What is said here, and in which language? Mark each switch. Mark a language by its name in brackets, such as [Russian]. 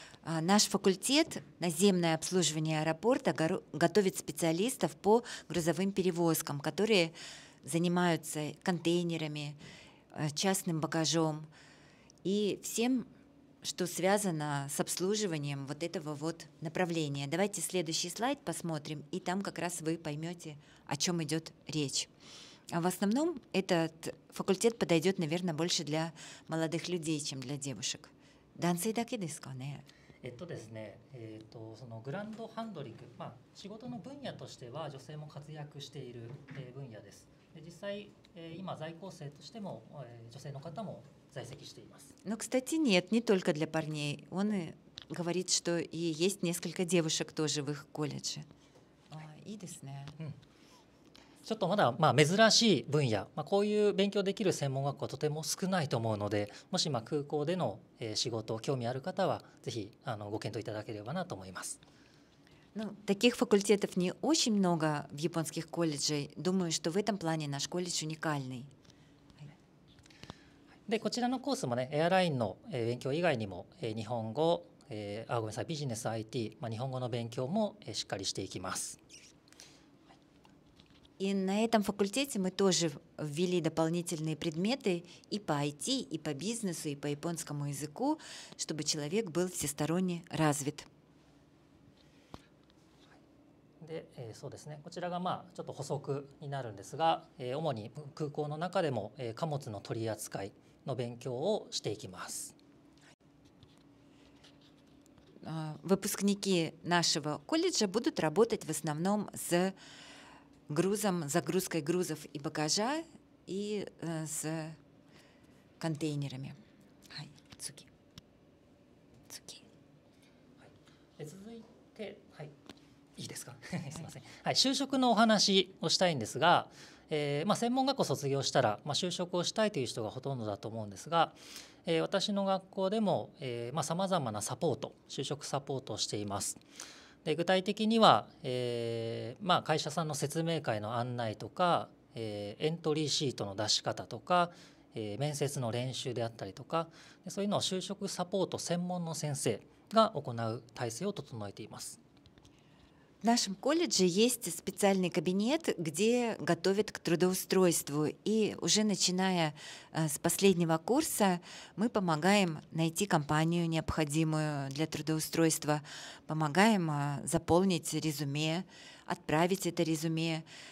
[Russian] Наш факультет наземное обслуживание аэропорта готовит специалистов по грузовым перевозкам, которые занимаются контейнерами, частным багажом и всем, что связано с обслуживанием вот этого вот направления. Давайте следующий слайд посмотрим, и там как раз вы поймете, о чем идет речь. А в основном этот факультет подойдет, наверное, больше для молодых людей, чем для девушек. [Japanese] Дансей даки дискане. Это ですね, その grand handling, まあ, 仕事の分野としては女性も活躍している分野です。で、実際、今在校生としても、女性の方も在籍しています。 [Russian] Но, кстати, нет, не только для парней. Он говорит, что и есть несколько девушек тоже в их колледже. [Japanese] いいですね。ちょっとまだ、まあ、珍しい分野、まあ、こういう勉強できる専門学校はとても少ないと思うので、もし、まあ、空港での、仕事を興味ある方はぜひご検討いただければなと思います。 [Russian] Ну, таких факультетов не очень много в японских колледжах. Думаю, что в этом плане наш колледж уникальный. [Japanese] で、こちらのコースもね、エアラインの勉強以外にも、日本語、ごめんなさい、ビジネス IT、まあ、日本語の勉強も、しっかりしていきます。 [Russian] И на этом факультете мы тоже ввели дополнительные предметы и по IT, и по бизнесу, и по японскому языку, чтобы человек был всесторонне развит. [Japanese] で、そうですね、こちらが、まあ、ちょっと補足になるんですが、主に空港の中でも、貨物の取り扱いの勉強をしていきます。 [Russian] Выпускники нашего колледжа будут работать в основном с грузом, загрузкой грузов и багажа и с контейнерами. [Japanese] はい、次。続いて、はい、いいですか。すいません。はい、就職のお話をしたいんですが、まあ、専門学校卒業したら、まあ、就職をしたいという人がほとんどだと思うんですが、私の学校でも、まあ、様々なサポート、就職サポートをしています。で、具体的には、まあ、会社さんの説明会の案内とか、エントリーシートの出し方とか、面接の練習であったりとか、そういうのを就職サポート専門の先生が行う体制を整えています。 [Russian] В нашем колледже есть специальный кабинет, где готовят к трудоустройству. И уже начиная с последнего курса, мы помогаем найти компанию, необходимую для трудоустройства. Помогаем заполнить резюме, отправить это резюме.